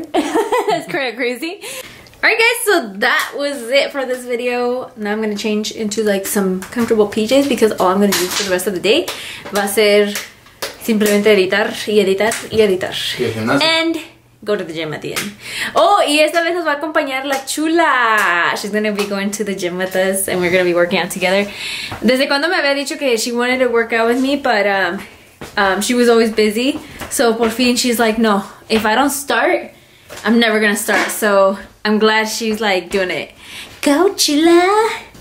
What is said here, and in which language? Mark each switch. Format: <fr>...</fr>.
<en>That's kind of crazy. Alright guys, so that was it for this video. Now I'm gonna change into like some comfortable PJs because all I'm gonna use for the rest of the day</en> <es>va a ser simplemente editar y editar</es> <en>y editar.</en> <es>Y el gimnasio.</es> <en>And go to the gym at the end.</en> <es>Oh, y esta vez nos va a acompañar la chula.</es> <en>She's gonna be going to the gym with us and we're gonna be working out together.</en> <es>Desde cuando me había dicho que</es> <en>she wanted to work out with me, but she was always busy. So</en> <es>por fin</es> <en>she's like, no, if I don't start, I'm never gonna start. So I'm glad she's like doing it. Go, chula.</en>